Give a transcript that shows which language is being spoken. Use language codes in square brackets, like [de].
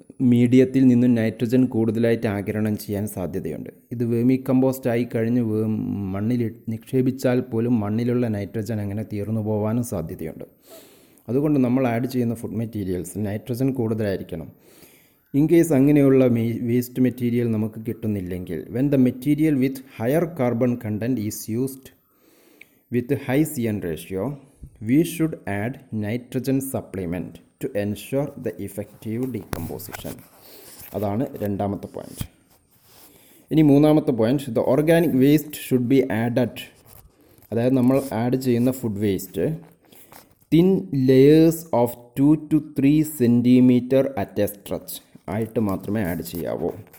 [ml] മീഡിയത്തിൽ നിന്നും നൈട്രജൻ കൂടുതലായിട്ട് ആഗിരണം ചെയ്യാൻ സാധ്യതയുണ്ട് ഇത് വേമി കമ്പോസ്റ്റ് ആയി കഴിഞ്ഞ് മണ്ണിൽ നിക്ഷേപിച്ചാൽ പോലും മണ്ണിലുള്ള നൈട്രജൻ അങ്ങനെ തീർന്നു പോകാനും സാധ്യതയുണ്ട് അതുകൊണ്ട് നമ്മൾ ആഡ് ചെയ്യുന്ന ഫുഡ് മെറ്റീരിയൽസ് നൈട്രജൻ കൂടുതലായിരിക്കണം ഇൻ കേസ് അങ്ങനെയുള്ള വേസ്റ്റ് മെറ്റീരിയൽ നമുക്ക് കിട്ടുന്നില്ലെങ്കിൽ [en] When the material with higher carbon content is used with high CN ratio, we should add nitrogen supplement to ensure the effective decomposition. [ml] അതാണ് രണ്ടാമത്തെ point. ഇനി മൂന്നാമത്തെ point, [en] The organic waste should be added. [ml] അതായത് നമ്മൾ add ചെയ്യുന്ന food waste [en] thin layers of 2 to 3 centimeter at a stretch [ml] ആയിട്ട് മാത്രമേ add ചെയ്യാവൂ.